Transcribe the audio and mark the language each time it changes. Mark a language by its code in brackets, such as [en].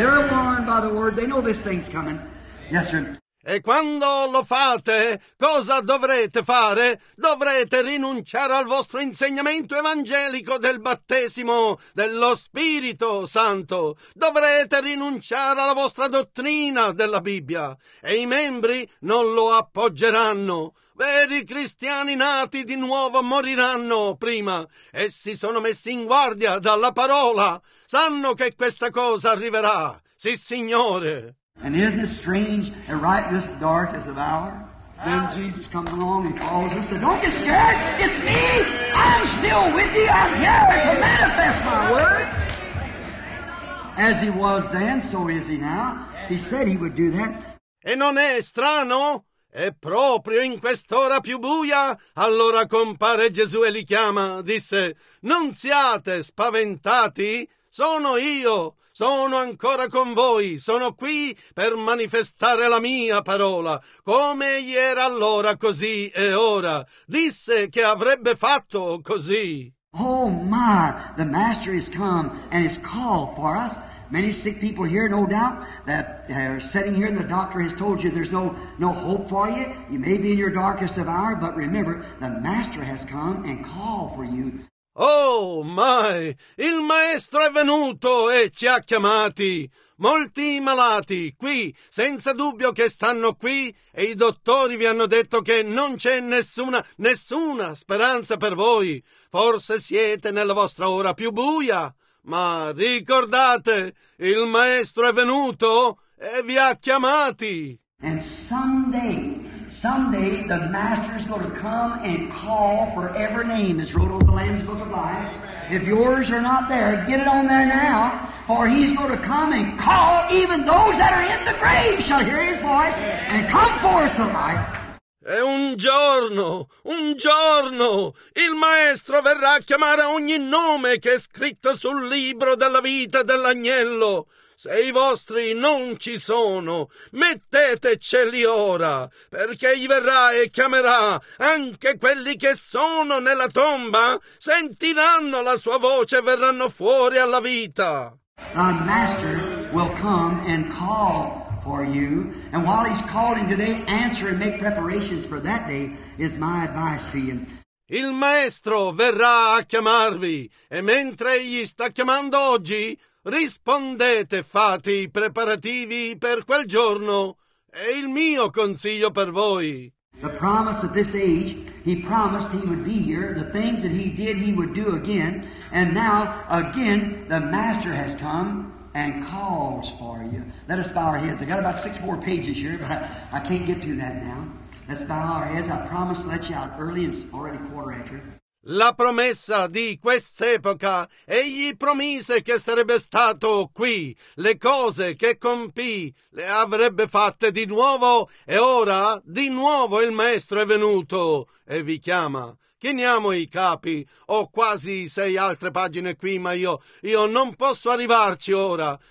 [en] They're warned by the word. They know this thing's coming. Amen. Yes, sir. [it] E quando lo fate, cosa dovrete fare? Dovrete rinunciare al vostro insegnamento evangelico del battesimo dello Spirito Santo. Dovrete rinunciare alla vostra dottrina della Bibbia. E i membri non lo appoggeranno. Veri cristiani nati di nuovo moriranno prima. Essi sono messi in guardia dalla parola. Sanno che questa cosa arriverà. Sì, Signore. [en] And isn't it strange that right in this darkest of hour, then Jesus comes along and calls us and said, don't get scared, it's me, I'm still with you, I'm here to manifest my word. As he was then, so is he now. He said he would do that. [it] E non è strano? E proprio in quest'ora più buia, allora compare Gesù e li chiama, disse, non siate spaventati, sono io. Sono ancora con voi, sono qui per manifestare la mia parola, come egli era allora, così e ora. Disse che avrebbe fatto così. [en] Oh my, the Master has come and has called for us. Many sick people here, no doubt, that are sitting here and the doctor has told you there's no hope for you. You may be in your darkest of hour, but remember, the Master has come and called for you. [it] Oh mai! Il Maestro è venuto e ci ha chiamati. Molti malati qui, senza dubbio che stanno qui, e i dottori vi hanno detto che non c'è nessuna speranza per voi. Forse siete nella vostra ora più buia, ma ricordate, il Maestro è venuto e vi ha chiamati. [en] And someday the Master is going to come and call for every name that's wrote on the Lamb's Book of Life. If yours are not there, get it on there now, for he's going to come and call. Even those that are in the grave shall hear his voice and come forth to life. [it] E un giorno, il Maestro verrà a chiamare ogni nome che è scritto sul libro della vita dell'Agnello. Se i vostri non ci sono, metteteceli ora, perché gli verrà e chiamerà anche quelli che sono nella tomba, sentiranno la sua voce e verranno fuori alla vita. [en] The Master will come and call for you, and while he's calling today, answer and make preparations for that day is my advice to you. [it] Il Maestro verrà a chiamarvi, e mentre egli sta chiamando oggi, rispondete, fate i preparativi per quel giorno. È il mio consiglio per voi. [en] The promise of this age, he promised he would be here. The things that he did, he would do again. And now, again, the Master has come and calls for you. Let us bow our heads. I got about 6 more pages here, but I can't get to that now. Let's bow our heads. I promise to let you out early. It's already 4 after. [it] La promessa di quest'epoca, egli promise che sarebbe stato qui, le cose che compì le avrebbe fatte di nuovo, e ora di nuovo il Maestro è venuto e vi chiama. Chiniamo i capi, ho quasi 6 altre pagine qui, ma io non posso arrivarci ora.